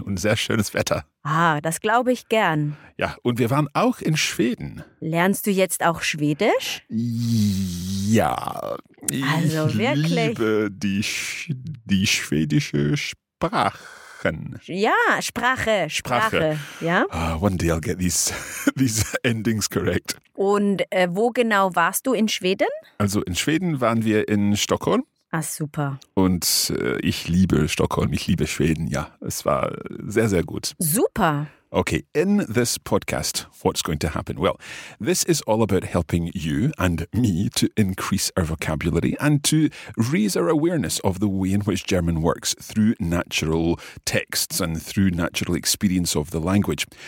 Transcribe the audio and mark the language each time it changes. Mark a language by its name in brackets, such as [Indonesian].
[German] Und sehr schönes Wetter. Ah, das glaube ich gern. Ja, und wir waren auch in Schweden. Lernst du jetzt auch Schwedisch? Ja. Also wirklich. Ich liebe die schwedische Sprache. Ja, Sprache. Sprache. Ja? [English] Oh, one day I'll get these endings correct. [German] Und wo genau warst du in Schweden? Also in Schweden waren wir in Stockholm. Ah, super. Und ich liebe Stockholm, ich liebe Schweden, ja. Es war sehr, sehr gut. Super. [English] Okay, in this podcast, what's going to happen? Well, this is all about helping you and me to increase our vocabulary and to raise our awareness of the way in which German works through natural texts and through natural experience of the language.